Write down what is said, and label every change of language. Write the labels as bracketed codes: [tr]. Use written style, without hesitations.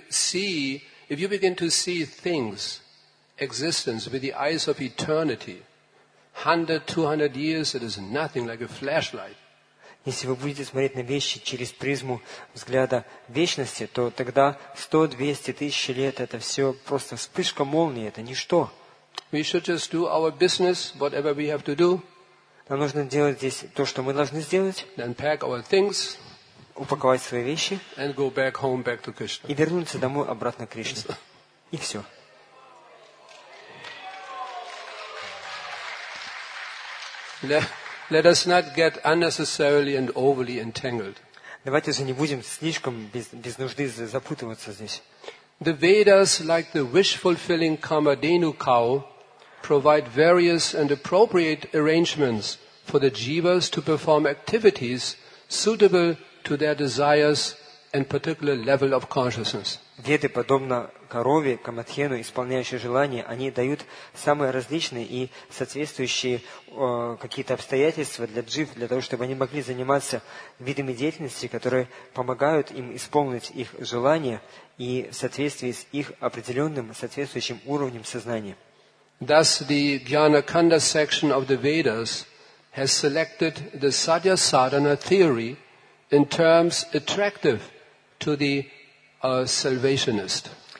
[en] If you begin to see things, existence with the eyes of eternity, 100, 200 years, it is nothing like a flashlight. [ru] Если вы будете смотреть на вещи через призму взгляда вечности, то тогда 100, 200 тысяч лет это все просто вспышка молнии, это ничто. [en] We should just do our business, whatever we have to do. [ru] Нам нужно делать здесь то, что мы должны сделать. [en] Then pack our things. [ru] Упаковать свои вещи [en] and go back home, back to Krishna. [ru] И вернуться домой обратно к Кришне. И все. [en] Let us not get unnecessarily and overly entangled. [ru] Давайте же не будем слишком без нужды запутываться здесь. [en] The Vedas, like the wish-fulfilling Kamadhenu cow, provide various and appropriate arrangements for the jivas to perform activities suitable to their desires and particular level of consciousness. [ru] Веды, подобно корове, Камадхену, исполняющей желания, они дают самые различные и соответствующие какие-то обстоятельства для джив, для того, чтобы они могли заниматься видами деятельности, которые помогают им исполнить их желания и в соответствии с их определенным соответствующим уровнем сознания. [en] Thus, the Gyanakanda section of the Vedas has selected the Sadhya Sadhana theory in terms attractive to the salvationist.